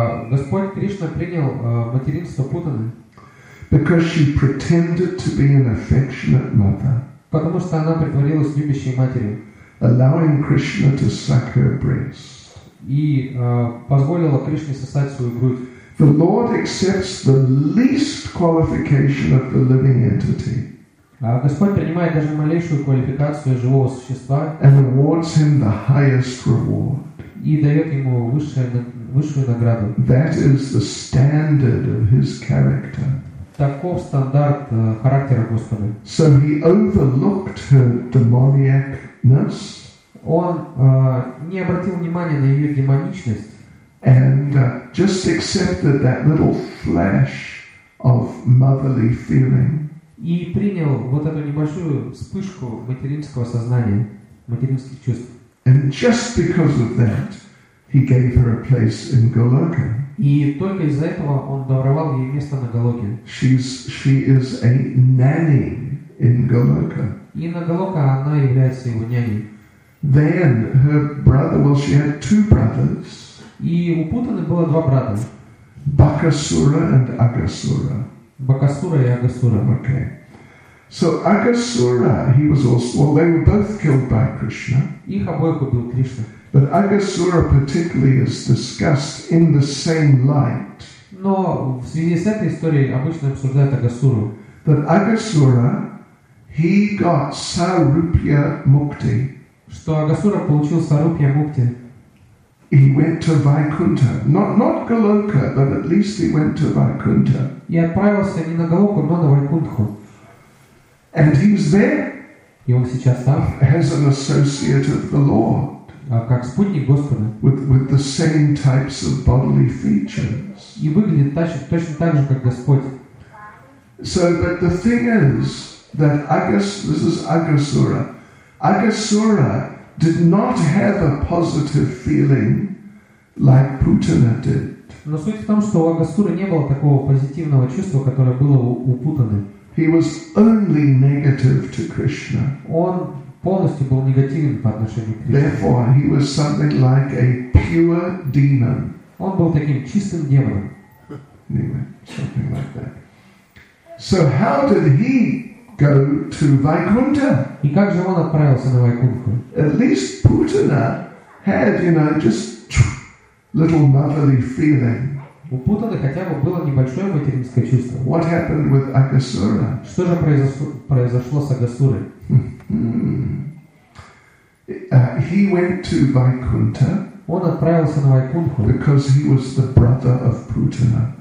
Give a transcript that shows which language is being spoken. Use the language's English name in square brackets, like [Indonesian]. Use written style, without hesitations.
[Russian] Господь Кришна принял материнство Путаны. [English] Because she pretended to be an affectionate mother. [Russian] Потому что она притворилась любящей матерью. [English] Allowing Krishna to suck her breast. [Russian] И позволила Кришне сосать свою грудь. [English] The Lord accepts the least qualification of the living entity. [Russian] Господь принимает даже малейшую квалификацию живого существа. [English] And awards him the highest reward. [Russian] И дает ему высшую награду. [English] That is the standard of his character. [Russian] Таков стандарт характера Господа. [English] So he overlooked her demoniacness. [Russian] Он не обратил внимания на ее демоничность. [English] And just accepted that little flash of motherly feeling. [Russian] И принял вот эту небольшую вспышку материнского сознания, материнских чувств. [English] And just because of that, he gave her a place in Goloka. [Russian] И только из-за этого он даровал ей место на Голоке. [English] She is a nanny in Goloka. [Russian] И на Голока она является его няней. [English] Then her brother, well, she had two brothers. [Russian] И у Путаны было два брата. [English] Бакасура and Агасура. [Russian] Бакасура и Агасура. [English] Okay. So Агасура, he was also, well, they were both killed by Krishna. [Russian] Их обоих убил Кришна. [English] But Agasura particularly is discussed in the same light. [Russian] Но в связи с этой историей обычно обсуждают Агасуру. [English] That Agasura, he got Sarupya Mukti. [Russian] Что Агасура получил Сарупья Мукти. [English] He went to Vaikuntha. Not Goloka, but at least he went to Vaikuntha. [Russian] И отправился не на Голоку, но на Вайкунтху. [English] And he's there. [Russian] И он сейчас там. [English] As an associate of the Lord. [Russian] Как спутник Господа. [English] With the same types of bodily features. [Russian] И выглядит точно так же, как Господь. [English] So, but the thing is that this is Agasura. Agasura did not have a positive feeling like Putana did. [Russian] Но суть в том, что у Агасуры не было такого позитивного чувства, которое было у Путаны. [English] He was only negative to Krishna. [Russian] Он полностью был негативен по отношению к Кришне. [English] Therefore, he was something like a pure demon. [Russian] Он был таким чистым демоном. [English] Anyway, something like that. So how did he go to Vaikuntha? [Russian] И как же он отправился на Вайкунтху? [English] At least Putana had, you know, just little motherly feeling. [Russian] У Путаны хотя бы было небольшое материнское чувство. [English] What happened with Agasura? [Russian] Что же произошло с Агасурой? [English] He went to Vaikuntha. [Russian] Он отправился на Вайкунтху. [English] Because he was the brother of Putana.